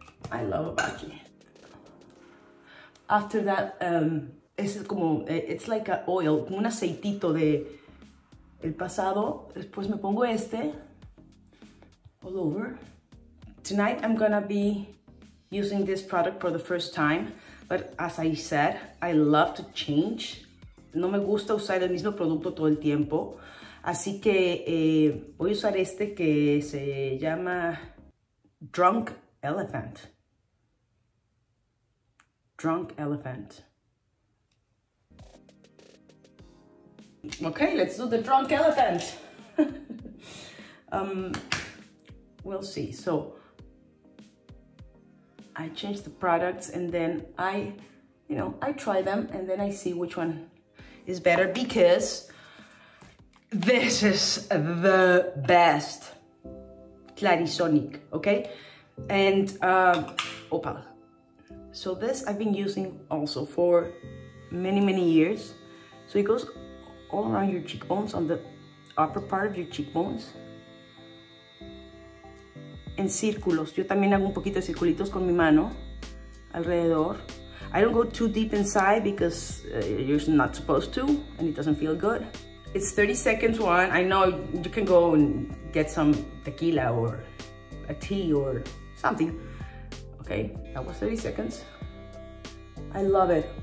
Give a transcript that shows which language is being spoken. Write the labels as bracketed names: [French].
[English] I love Obagi. After that, it's like an oil, [Spanish] un aceitito de el pasado. Después me pongo este. [English] All over. Tonight I'm gonna be using this product for the first time, but as I said, I love to change. [Spanish] No me gusta usar el mismo producto todo el tiempo. Así que voy a usar este que se llama Drunk Elephant. [English] Drunk Elephant. Okay, let's do the Drunk Elephant. We'll see. So I change the products and then I try them and then I see which one is better, because this is the best Clarisonic, okay? And Opal. So this I've been using also for many, many years. So it goes all around your cheekbones, on the upper part of your cheekbones. [Spanish] En círculos. Yo también hago un poquito de circulitos con mi mano alrededor. [English] I don't go too deep inside because you're not supposed to, and it doesn't feel good. It's 30 seconds one. I know you can go and get some tequila or a tea or something. Okay, that was 30 seconds. I love it.